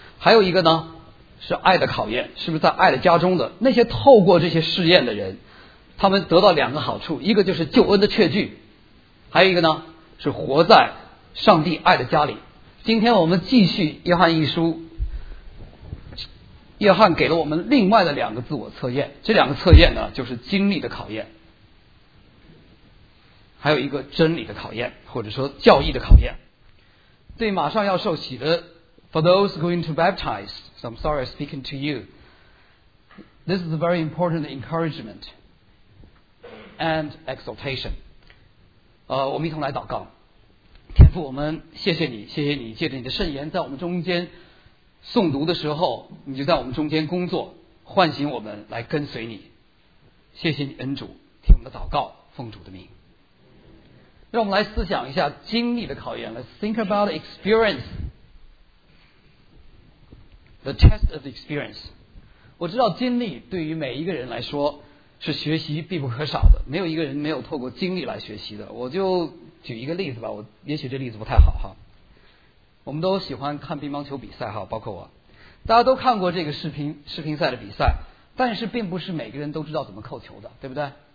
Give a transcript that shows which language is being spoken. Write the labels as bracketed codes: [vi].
[zh] 还有一个呢是爱的考验，是不是在爱的家中的那些透过这些试验的人，他们得到两个好处，一个就是救恩的确据，还有一个呢是活在上帝爱的家里。今天我们继续约翰一书，约翰给了我们另外的两个自我测验，这两个测验呢就是经历的考验，还有一个真理的考验，或者说教义的考验。对马上要受洗的 [en] For those going to baptize, so I'm sorry speaking to you, this is a very important encouragement and exhortation. [zh] 我们一同来祷告。天父，我们谢谢你，谢谢你借着你的圣言在我们中间诵读的时候，你就在我们中间工作，唤醒我们来跟随你。谢谢你恩主，听我们的祷告，奉主的名。让我们来思想一下经历的考验。 [en] Let's think about experience, the test of experience. [zh] 我知道经历对于每一个人来说是学习必不可少的，没有一个人没有透过经历来学习的。我就举一个例子吧，我也许这例子不太好哈。我们都喜欢看乒乓球比赛哈，包括我，大家都看过这个视频赛的比赛，但是并不是每个人都知道怎么扣球的，对不对？